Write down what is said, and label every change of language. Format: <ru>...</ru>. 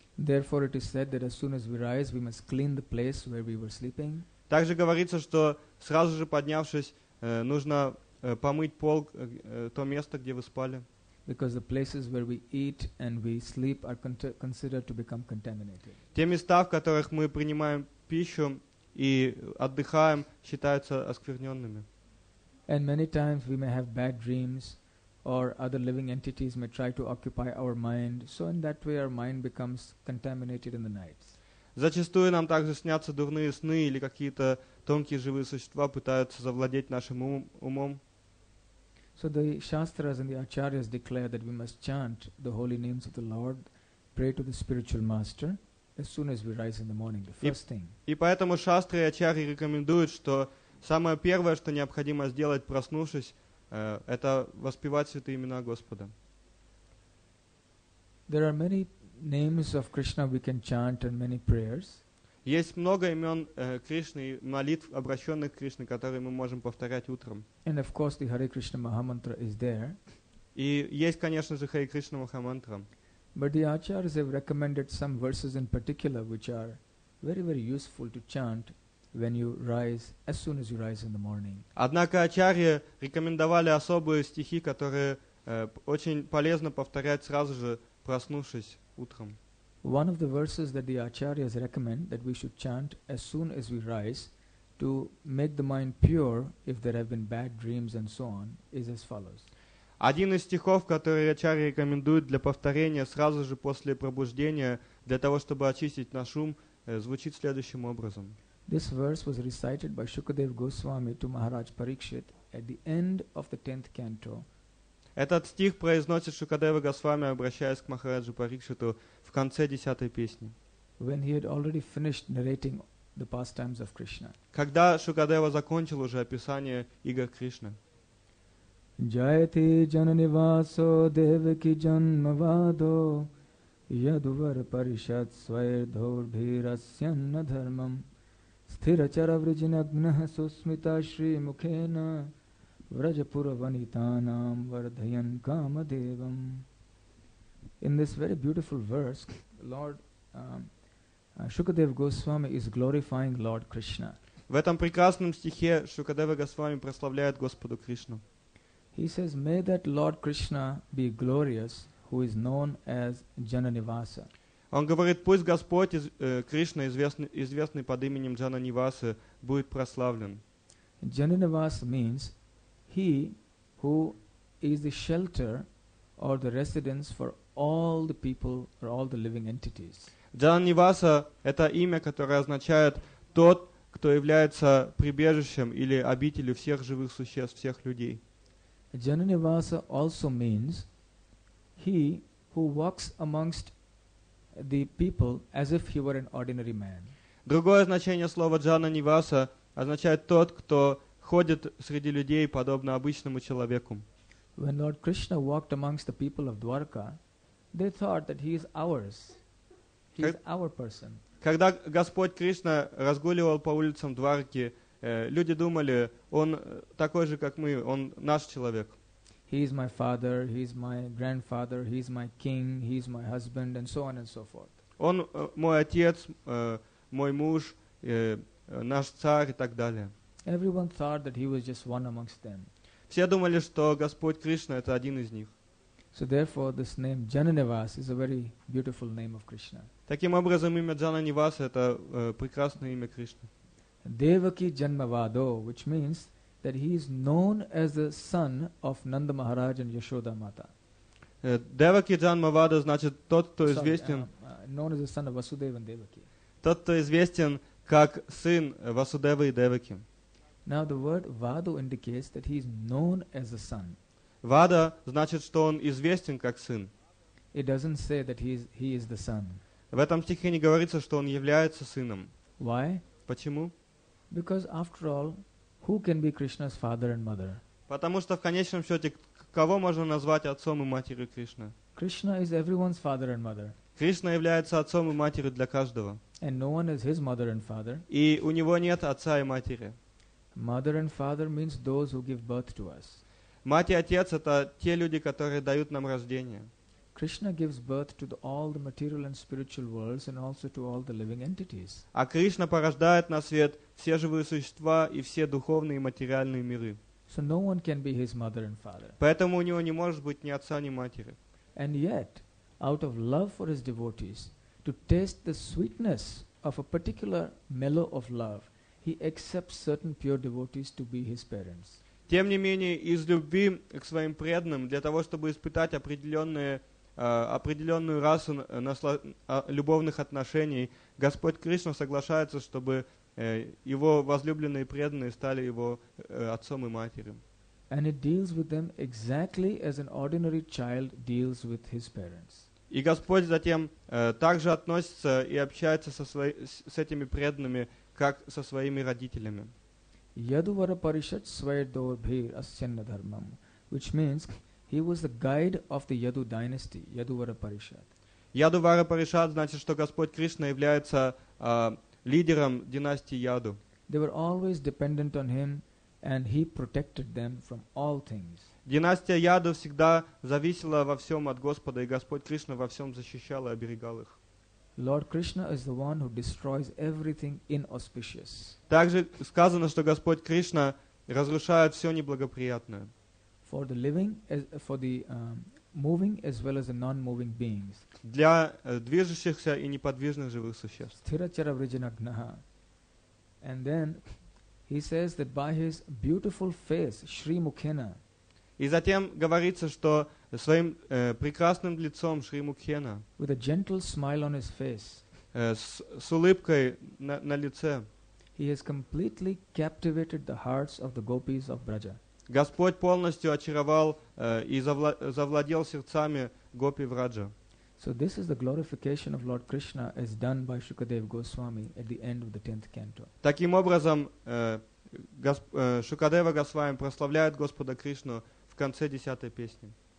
<en>Therefore, it is said that as soon as we rise, we must clean the place where we were sleeping.</en> <ru>Также говорится, что сразу же поднявшись, нужно помыть пол, то место, где вы спали.</ru> <en>Because the places where we eat and we sleep are considered to become contaminated.</en> <ru>Те места, в которых мы принимаем пищу и отдыхаем, считаются оскверненными.</ru> <en>And many times we may have bad dreams, or other living entities may try to occupy our mind. So in that way, our mind becomes contaminated in the night.</en> <ru>Зачастую нам также снятся дурные сны или какие-то тонкие живые существа пытаются завладеть нашим умом.</ru> <en>So the shastras and the acharyas declare that we must chant the holy names of the Lord, pray to the spiritual master as soon as we rise in the morning, the first thing.</en> <ru>И поэтому шастры и ачарьи рекомендуют, что самое первое, что необходимо сделать, проснувшись, это воспевать святые имена Господа.</ru> <en>There are many names of Krishna we can chant and many prayers.</en> <ru>Есть много имен Кришны и молитв, обращенных к Кришне, которые мы можем повторять утром.</ru> <en>And of course the Hare Krishna Mahamantra is there.</en> <ru>И есть, конечно же, Hare Krishna Mahamantra.</ru> <en>But the acharyas have recommended some verses in particular which are very, very useful to chant when you rise, as soon as you rise in the morning.</en> <ru>Однако ачарьи рекомендовали особые стихи, которые очень полезно повторять сразу же, проснувшись утром.</ru> <en>One of the verses that the acharyas recommend that we should chant as soon as we rise to make the mind pure if there have been bad dreams and so on is as follows.</en> <ru>Один из стихов, который ачарьи рекомендуют для повторения сразу же после пробуждения для того, чтобы очистить наш ум, звучит следующим образом.</ru> <en>This verse was recited by Shukadev Goswami to Maharaj Parikshit at the end of the 10th canto.</en> <ru>Этот стих произносит Шукадева Госвами, обращаясь к Махараджу Парикшиту в конце 10-й песни.</ru> <en>When he had already finished narrating the pastimes of Krishna.</en> <ru>Когда Шукадева закончил уже описание игр Кришны.</ru> <sa>Jayati Jananivaso Devaki Janmavado Yadvar Parishat Svairdhur Bhirasyanna Dharmam Sthiracara Vrijinagna Susmita Shri Mukhena Vrajapuravanitanam Vardhayan Kamadevam.</sa> <en>In this very beautiful verse, Lord Shukadev Goswami is glorifying Lord Krishna.</en> <ru>В этом прекрасном стихе Шукадева Госвами прославляет Господу Кришну.</ru> <en>He says, may that Lord Krishna be glorious, who is known as Jananivasa.</en> <ru>Он говорит, пусть Господь Кришна, известный под именем Джананивасы, будет прославлен.</ru> <en>Джананивасы means he who is the shelter or the residence for all the people or all the living entities.</en> <ru>Джананивасы – это имя, которое означает тот, кто является прибежищем или обителью всех живых существ, всех людей.</ru> <en>Джананивасы also means he who walks amongst the people as if he were an ordinary man.</en> <ru>Другое значение слова Джананиваса означает тот, кто ходит среди людей подобно обычному человеку.</ru> <en>When Lord Krishna walked amongst the people of Dwarka, they thought that he is ours. He is our person.</en> <ru>Когда Господь Кришна разгуливал по улицам Дварки, люди думали, он такой же, как мы, он наш человек.</ru> <en>He is my father, he is my grandfather, he is my king, he is my husband, and so on and so forth.</en> <ru>Он мой отец, мой муж, наш царь и так далее.</ru> <en>Everyone thought that he was just one amongst them.</en> <ru>Все думали, что Господь Кришна это один из них.</ru> <en>So therefore, this name Jananivas is a very beautiful name of Krishna.</en> <ru>Таким образом, имя Джананивас это прекрасное имя Кришны.</ru> <en>Devaki Janmavado, which means that he is known as the son of Nanda Maharaj and Yashoda Mata.</en> <ru>Devaki Janmavado значит тот, кто известен.</ru> <en>Known as the son of Vasudeva and Devaki.</en> <ru>Тот, кто известен как сын Васудевы и Деваки.</ru> <en>Now the word Vado indicates that he is known as a son.</en> <ru>Вада значит, что он известен как сын.</ru> <en>It doesn't say that he is the son.</en> <ru>В этом стихе не говорится, что он является сыном.</ru> <en>Why?</en> <ru>Почему?</ru> <en>Because after all, who can be Krishna's father and mother?</en> <ru>Потому что в конечном счете, кого можно назвать отцом и матерью Кришны?</ru> <en>Krishna is everyone's father and mother.</en> <ru>Кришна является отцом и матерью для каждого.</ru> <en>And no one is his mother and father.</en> <ru>И у него нет отца и матери.</ru> <en>Mother and father means those who give birth to us.</en> <ru>Мать и отец это те люди, которые дают нам рождение.</ru> <en>Krishna gives birth to all the material and spiritual worlds and also to all the living entities.</en> <ru>А Кришна порождает на свет все живые существа и все духовные и материальные миры.</ru> <en>So no one can be his mother and father.</en> <ru>Поэтому у него не может быть ни отца, ни матери.</ru> <en>And yet, out of love for his devotees, to taste the sweetness of a particular mellow of love, he accepts certain pure devotees to be his parents.</en> <ru>Тем не менее, из любви к своим преданным, для того, чтобы испытать определенную расу любовных отношений, Господь Кришна соглашается, чтобы его возлюбленные преданные стали его отцом и матерью.</ru> <en>And it deals with them exactly as an ordinary child deals with his parents.</en> <ru>И Господь затем также относится и общается с этими преданными, как со своими родителями.</ru> <sa>Yaduvara Parishat Svayadorbhir Ascenna Dharmam,</sa> <en>which means he was the guide of the Yadu dynasty, Yaduvara Parishat.</en> <ru>Yaduvara Parishat значит, что Господь Кришна является лидером династии Яду.</ru> <en>They were always dependent on him and he protected them from all things.</en> <ru>Династия Яду всегда зависела во всем от Господа, и Господь Кришна во всем защищал и оберегал их.</ru> <en>Lord Krishna is the one who destroys everything inauspicious.</en> <ru>Также сказано, что Господь Кришна разрушает все неблагоприятное.</ru> <en>For the living, for the moving as well as the non-moving beings.</en> <ru>Для движущихся и неподвижных живых существ.</ru> <sa>Sthiracara Vrijanagnaha.</sa> <en>And then he says that by his beautiful face, Shri Mukhena.</en> <ru>И затем говорится, что своим прекрасным лицом Шри Мукхена</ru> <en>with a gentle smile on his face,</en> <ru>с улыбкой на лице</ru> <en>he has completely captivated the hearts of the gopis of Braja.</en> <ru>Господь полностью очаровал и завладел сердцами гопи Враджа.</ru> <en>So this is the glorification of Lord Krishna as done by Shukadev Goswami at the end of the 10th canto.</en> <ru>Таким образом, Шукадева Госвами прославляет Господа Кришну в конце 10-й песни.</ru>